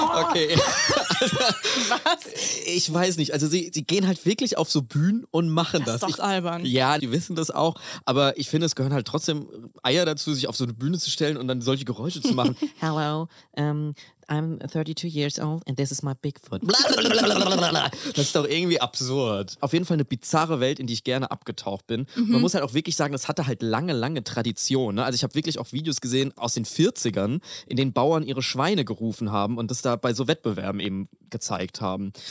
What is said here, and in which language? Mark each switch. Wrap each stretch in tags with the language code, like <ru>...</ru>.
<de>Okay. Was? Ich weiß nicht. Also sie gehen halt wirklich auf so Bühnen und machen das. Das ist doch albern. Ja, die wissen das auch. Aber ich finde, es gehören halt trotzdem Eier dazu, sich auf so eine Bühne zu stellen und dann solche Geräusche zu machen.</de> <en>Hello, I'm 32 years old and this is my Bigfoot.</en> <de>Das ist doch irgendwie absurd. Auf jeden Fall eine bizarre Welt, in die ich gerne abgetaucht bin. Mhm. Man muss halt auch wirklich sagen, das hatte halt lange, lange Tradition. Also ich habe wirklich auch Videos gesehen aus den 40ern, in denen Bauern ihre Schweine gerufen haben und das da bei so Wettbewerben eben gezeigt haben.</de>